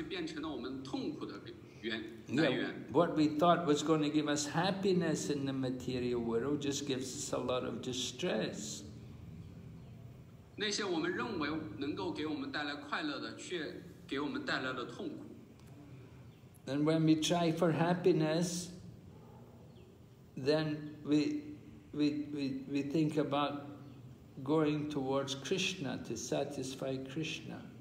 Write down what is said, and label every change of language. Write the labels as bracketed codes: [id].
[zh] 但是在物质世界之中，这种快乐能量却变成了我们痛苦的源。 [en] What we thought was going to give us happiness in the material world just gives us a lot of distress. [zh] 那些我们认为能够给我们带来快乐的，却给我们带来了痛苦。 [en] And when we try for happiness, then we think about going towards Krishna to satisfy Krishna.